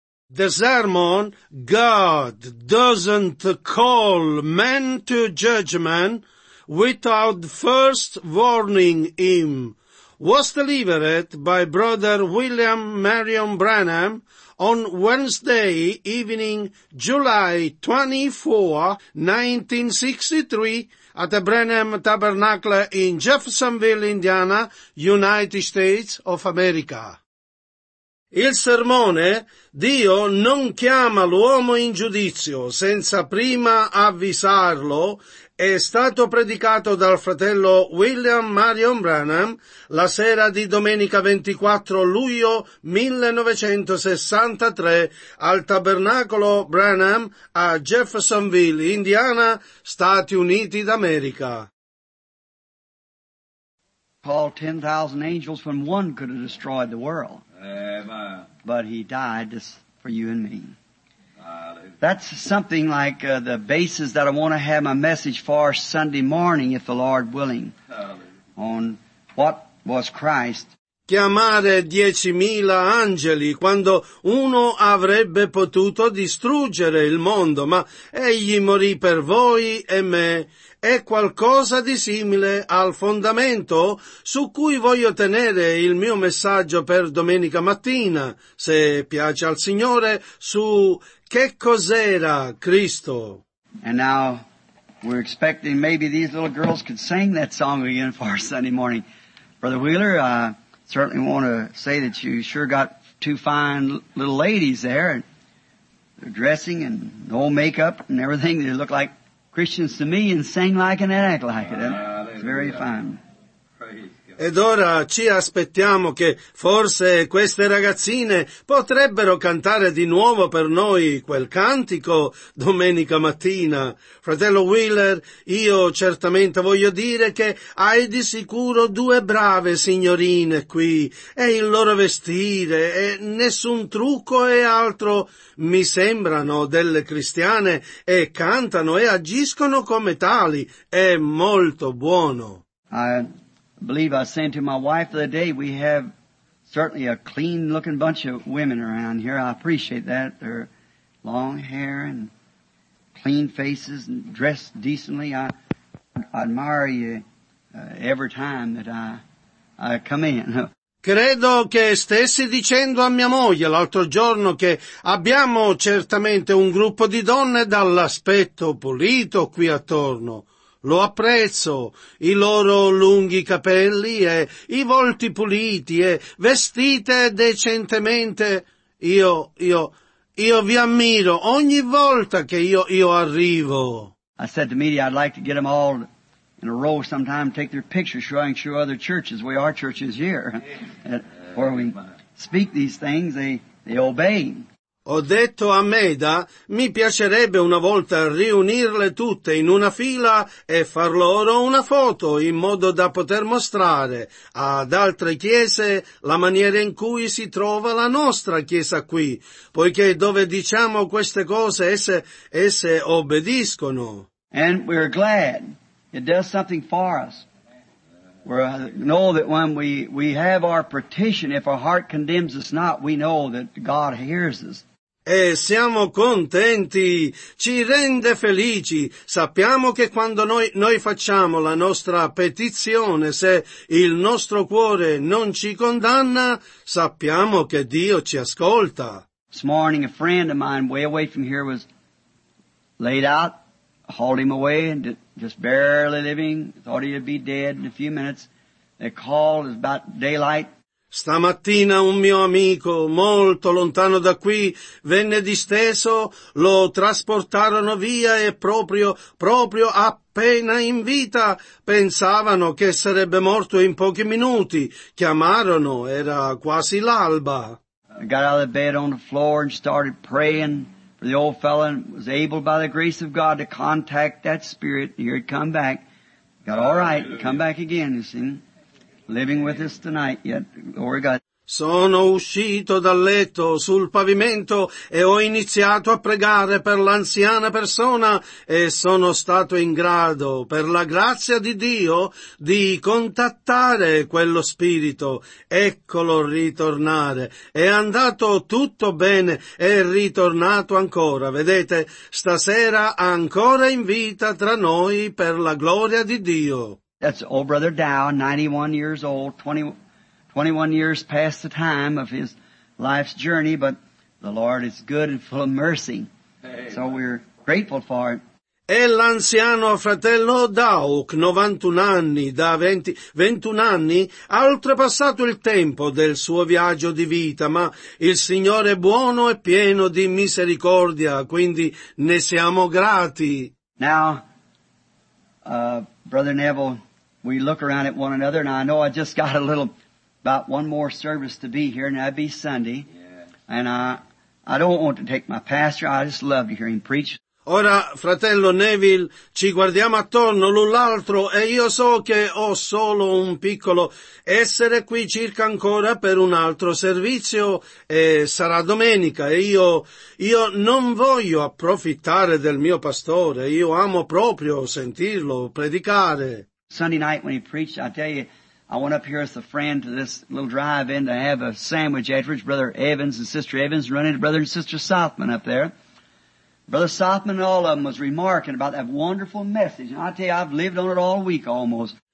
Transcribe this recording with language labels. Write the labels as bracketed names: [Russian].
[English] The sermon, God doesn't call men to judgment without first warning him, was delivered by Brother William Marion Branham on Wednesday evening, July 24, 1963, at the Branham Tabernacle in Jeffersonville, Indiana, United States of America. [Italian] Il sermone, Dio non chiama l'uomo in giudizio senza prima avvisarlo, è stato predicato dal fratello William Marion Branham la sera di domenica 24 luglio 1963 al Tabernacolo Branham a Jeffersonville, Indiana, Stati Uniti d'America. [English] Paul, 10,000 angels from one could have destroyed the world. But he died just for you and me. That's something like the basis that I want to have my message for Sunday morning, if the Lord willing, on what was Christ. [Italian] Chiamare 10,000 angeli quando uno avrebbe potuto distruggere il mondo, ma egli morì per voi e me, è qualcosa di simile al fondamento su cui voglio tenere il mio messaggio per domenica mattina, se piace al Signore, su che cos'era Cristo. [English] And now we're expecting maybe these little girls could sing that song again for Sunday morning. Brother Wheeler, certainly want to say that you sure got two fine little ladies there, and they're dressing and no makeup and everything. They look like Christians to me and sing like and act like it. It's very fine. [Italian] Ed ora ci aspettiamo che forse queste ragazzine potrebbero cantare di nuovo per noi quel cantico domenica mattina. Fratello Wheeler, io certamente voglio dire che hai di sicuro due brave signorine qui, e il loro vestire e nessun trucco e altro mi sembrano delle cristiane, e cantano e agiscono come tali. È molto buono. [English] I believe I sent to my wife the day, we have certainly a clean-looking bunch of women around here. I appreciate that. They're long hair and clean faces and dressed decently. I admire you every time that I come in. [Italian] Credo che stessi dicendo a mia moglie l'altro giorno che abbiamo certamente un gruppo di donne dall'aspetto pulito qui attorno. Lo apprezzo, i loro lunghi capelli e i volti puliti e vestite decentemente. Io vi ammiro ogni volta che io arrivo. [English] I said to media, I'd like to get them all in a row sometime, take their pictures, showing sure other churches. We are churches here. Where we speak these things, they obey. [Italian] Ho detto a Meda, mi piacerebbe una volta riunirle tutte in una fila e far loro una foto in modo da poter mostrare ad altre chiese la maniera in cui si trova la nostra chiesa qui, poiché dove diciamo queste cose esse obbediscono. [English] And we're glad it does something for us. We know that when we have our petition, if our heart condemns us not, we know that God hears us. [Italian] E siamo contenti, ci rende felici. Sappiamo che quando noi facciamo la nostra petizione, se il nostro cuore non ci condanna, sappiamo che Dio ci ascolta. [English] This morning a friend of mine way away from here was laid out, hauled him away, and just barely living, thought he'd be dead in a few minutes. They called, it was about daylight. [Italian] Stamattina un mio amico, molto lontano da qui, venne disteso, lo trasportarono via e proprio appena in vita, pensavano che sarebbe morto in pochi minuti. Chiamarono, era quasi l'alba. [English] I got out of the bed on the floor and started praying for the old fellow and was able by the grace of God to contact that spirit. He had come back. Got all right, come back again, you see. Living with us tonight yet, glory God. [Italian] Sono uscito dal letto sul pavimento e ho iniziato a pregare per l'anziana persona e sono stato in grado, per la grazia di Dio, di contattare quello spirito. Eccolo ritornare. È andato tutto bene, è ritornato ancora. Vedete, stasera ancora in vita tra noi per la gloria di Dio. [English] That's old brother Dow, 91 years old, 21 years past the time of his life's journey, but the Lord is good and full of mercy. Amen. So we're grateful for it. [Italian] È l'anziano fratello Dauk, 91 anni, da 21 anni, ha oltrepassato il tempo del suo viaggio di vita, ma il Signore è buono e pieno di misericordia, quindi ne siamo grati. [English] Now, brother Neville, we look around at one another, and I know I just got a little... About one more service to be here, and that'd be Sunday. Yes. And I don't want to take my pastor. I just love to hear him preach. [Italian] Ora, fratello Neville, ci guardiamo attorno l'un l'altro e io so che ho solo un piccolo essere qui circa ancora per un altro servizio e sarà domenica e io non voglio approfittare del mio pastore. Io amo proprio sentirlo predicare. [English] Sunday night when he preached, I tell you, I went up here as a friend to this little drive-in to have a sandwich afterwards. Brother Evans and Sister Evans run into Brother and Sister Southman up there. Brother Southman and all of them was remarking about that wonderful message. And I tell you, I've lived on it all week almost.